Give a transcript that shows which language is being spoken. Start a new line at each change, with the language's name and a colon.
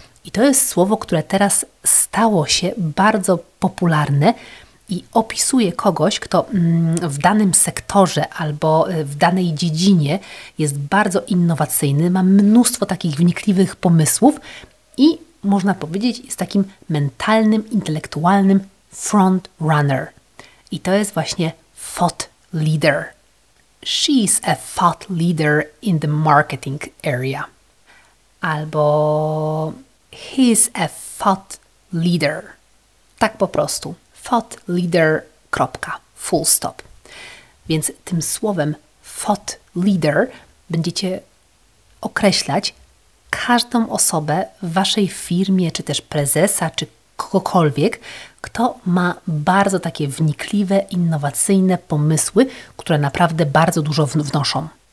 Polish: I to jest słowo, które teraz stało się bardzo popularne i opisuje kogoś, kto w danym sektorze albo w danej dziedzinie jest bardzo innowacyjny, ma mnóstwo takich wnikliwych pomysłów i można powiedzieć jest takim mentalnym, intelektualnym front runner. I to jest właśnie thought leader.
English: She's a thought leader in the marketing area.
Polish: Albo
English: he's a thought leader.
Polish: Tak po prostu. Thought leader, kropka,
English: full stop.
Polish: Więc tym słowem thought leader będziecie określać każdą osobę w waszej firmie, czy też prezesa, czy kogokolwiek, kto ma bardzo takie wnikliwe, innowacyjne pomysły, które naprawdę bardzo dużo wnoszą.